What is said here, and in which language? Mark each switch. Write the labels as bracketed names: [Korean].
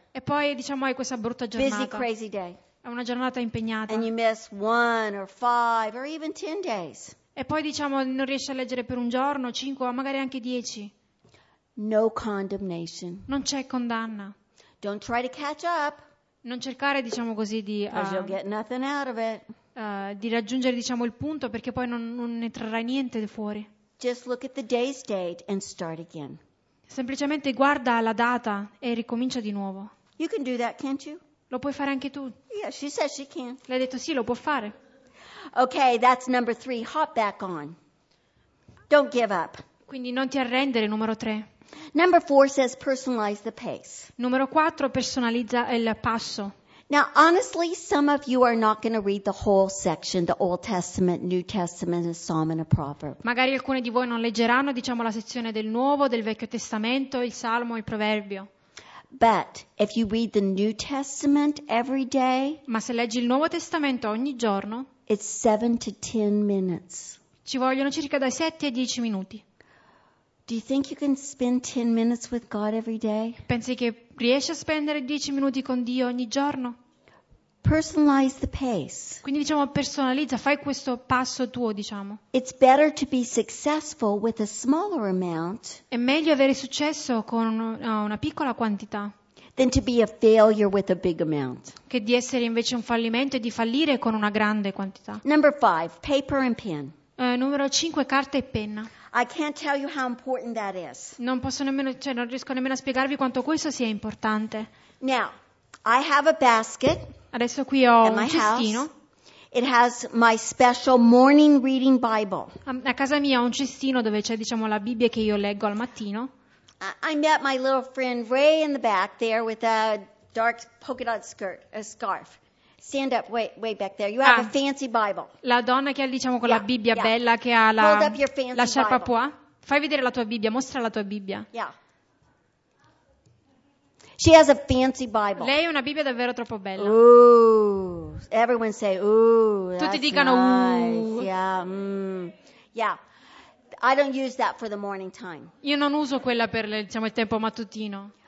[Italian] E poi diciamo hai questa brutta giornata. [English] Busy, crazy day. [Italian] È una giornata impegnata. [English] And you miss 1 or 5 or even 10 days. [Italian] E poi diciamo non riesci a leggere per un giorno, 5 o magari anche 10. [English] No condemnation. [Italian] Non c'è condanna. [English] Don't try to catch up. [Italian] Non cercare, diciamo così, di [English] you'll get nothing out of it. [Italian] Di raggiungere, diciamo, il punto, perché poi non ne trarrai niente fuori. [English] Just look at the day's date and start again. [Italian] Semplicemente guarda la data e ricomincia di nuovo. [English] You can do that, can't you? [Italian] Lo puoi fare anche tu. [English] Yeah, she said she can. [Italian] Le ha detto sì, lo può fare. [English] Okay, that's number three. Hop back on. Don't give up. [Italian] Quindi non ti arrendere, numero tre. [English] Number four says personalize the pace. [Italian] Numero quattro, personalizza il passo. [English] Now, honestly, some of you are not going to read the whole section, the Old Testament, New Testament, a Psalm and a Proverb. [Italian] Magari alcuni di voi non leggeranno, diciamo, la sezione del Nuovo, del Vecchio Testamento, il Salmo, il Proverbio. [English] But if you read the New Testament every day, [Italian] ma se leggi il Nuovo Testamento ogni giorno, [English] it's 7 to 10 minutes. [Italian] Ci vogliono circa dai 7 a 10 minuti. [English] Do you think you can spend 10 minutes with God every day? [Italian] Pensi che riesci a spendere 10 minuti con Dio ogni giorno? [English] Personalize the pace. [Italian] Quindi diciamo personalizza, fai questo passo tuo, diciamo. [English] It's better to be successful with a smaller amount. [Italian] È meglio avere successo con una piccola quantità. [English] Than to be a failure with a big amount. [Italian] Che di essere invece un fallimento e di fallire con una grande quantità. [English] Number 5, paper and pen. [Italian] Numero 5, carta e penna. [English] I can't tell you how important that is. [Italian] Non posso nemmeno, cioè non riesco nemmeno a spiegarvi quanto questo sia importante. [English] Now, I have a basket. [Italian] Adesso qui ho un cestino. [English] It has my special morning reading Bible. [Italian] A casa mia ho un cestino dove c'è, diciamo, la Bibbia che io leggo al mattino. [English] I met my little friend Ray in the back there with a dark polka dot skirt, a scarf. Stand up, way back there. You have a fancy Bible. [Italian] La donna che ha, diciamo, con la Bibbia bella, che ha la sciarpa pois. Fai vedere la tua Bibbia, mostra la tua Bibbia. [English] Yeah. She has a fancy Bible. [Italian] Lei ha una Bibbia davvero troppo bella. [English] Ooh, everyone say ooh. [Italian] Tutti dicano [English] ooh. Yeah. Yeah. I don't use that for the morning time. [Italian] Io non uso quella per, diciamo, il tempo mattutino.